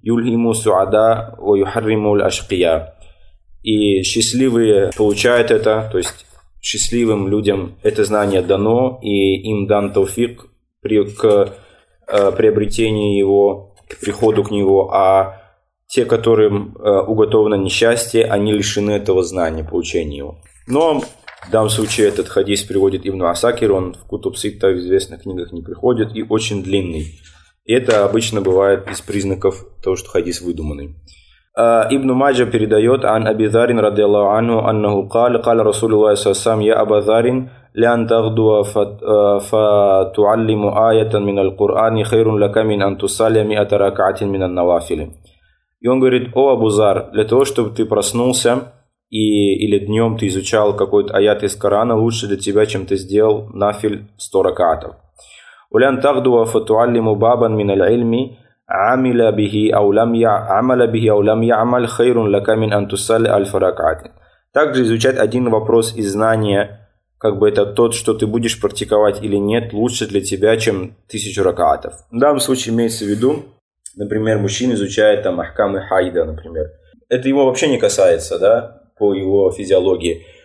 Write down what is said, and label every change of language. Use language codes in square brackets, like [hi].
[ar] Юльхиму суада ва юхарриму аль-ашкия. [ru] И счастливые получают это, то есть счастливым людям это знание дано, и им дан тауфик к приобретению его, к приходу к него, а те, которым уготовано несчастье, они лишены этого знания, получения его. Но в данном случае этот хадис приводит Ибн Асакир, он в Кутуб Ситта в известных книгах не приходит, и очень длинный. И это обычно бывает из признаков того, что хадис выдуманный. Ибн Маджа передает [ar] عن أبي ذر رضي الله عنه أنه قال قال رسول الله صلى الله عليه وسلم يا أبا ذر لأن تغدو فتعلم آية من القرآن خير لك من أن تصلي مئة ركعة من النوافل. [ru] И он говорит: о Абу Зар, для того чтобы ты проснулся и или днем ты изучал какой-то аят из Корана, лучше для тебя, чем ты сделал нафиль 100 ракатов. [ar] ولأن تغدو فتعلم بابا من العلم عَمِلَ بِهِ أَوْ لَمْ يَعْمَلَ بِهِ أَوْ لَمْ يَعْمَلْ خَيْرٌ لَكَ مِنْ أَنْ تُسَلْ أَلْفَ رَكْعَةٍ. [ru] Также изучать один вопрос из знания, как бы это тот, что ты будешь практиковать или нет, лучше для тебя, чем 1000 ракаатов. В данном случае имеется в виду, например, мужчина изучает там ахкам и хайда, например. Это его вообще не касается, да, по его физиологии.